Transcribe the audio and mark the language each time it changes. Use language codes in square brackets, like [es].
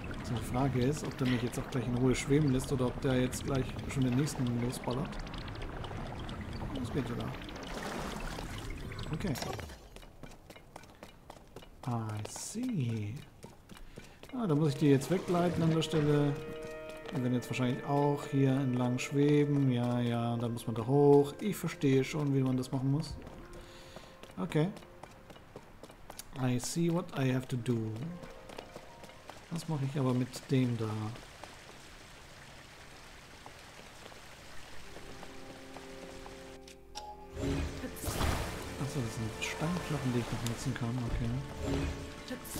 [de] Die Frage ist, ob der mich jetzt auch gleich in Ruhe schweben lässt oder ob der jetzt gleich schon den nächsten losballert. Was geht da? Okay. [en] I see. [de] Ja, da muss ich die jetzt wegleiten an der Stelle. Die werden jetzt wahrscheinlich auch hier entlang schweben. Ja, ja, da muss man da hoch. Ich verstehe schon, wie man das machen muss. [en] Okay. I see what I have to do. [de] Was mache ich aber mit dem da? Achso, das sind Steinklappen, die ich noch nutzen kann. Okay. Okay.